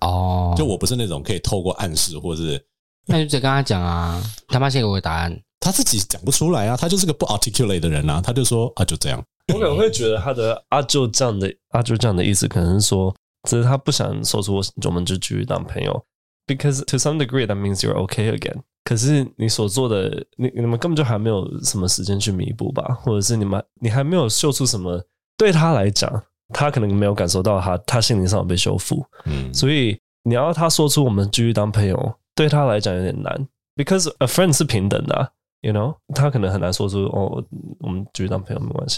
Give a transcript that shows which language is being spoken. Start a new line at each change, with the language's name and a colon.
Chinese: 哦，就我不是那种可以透过暗示或是，那就直接跟他讲啊，他妈先给我答案。他自己讲不出来啊，他就是个不 articulate 的人啊，他就说啊就这样。我可能会觉得他的啊就这样的啊就这样的意思，可能是说只是他不想说出我们就继续当朋友。
English: Because to some degree that means you're okay again。
Chinese: 可是你所做的，你们根本就还没有什么时间去弥补吧，或者是你还没有秀出什么，对他来讲，他可能没有感受到他心灵上有被修复。嗯，所以你要他说出我们继续当朋友，对他来讲有点难。
English: Because a friend
Chinese: 是平等的、啊。
English: You know，
Chinese: 他可能很难说出哦，我们继续当朋友没关系。